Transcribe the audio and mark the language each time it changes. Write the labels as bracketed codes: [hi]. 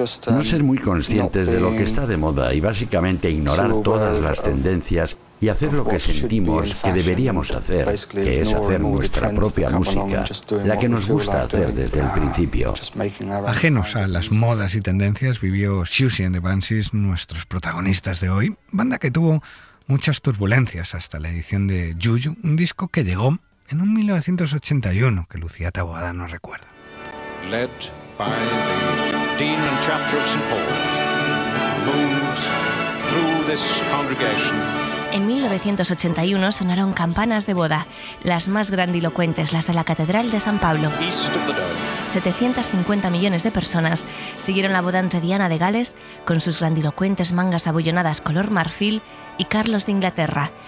[es] No ser muy conscientes de lo que está de moda y básicamente ignorar todas las tendencias y hacer lo que sentimos que deberíamos hacer, que es hacer nuestra propia música, la que nos gusta hacer desde el principio. Ajenos a las modas y tendencias vivió Siouxsie and the Banshees, nuestros protagonistas de hoy, banda que tuvo muchas turbulencias hasta la edición de Juju, un disco que llegó en un 1981 que Lucía Taboada no recuerda. [en] Led by the Dean and Chapter of St. Paul's, moves through this congregation. [es] En 1981 sonaron campanas de boda, las más grandilocuentes, las de la Catedral de San Pablo. 750 millones de personas siguieron la boda entre Diana de Gales, con sus grandilocuentes mangas abullonadas color marfil, y Carlos de Inglaterra.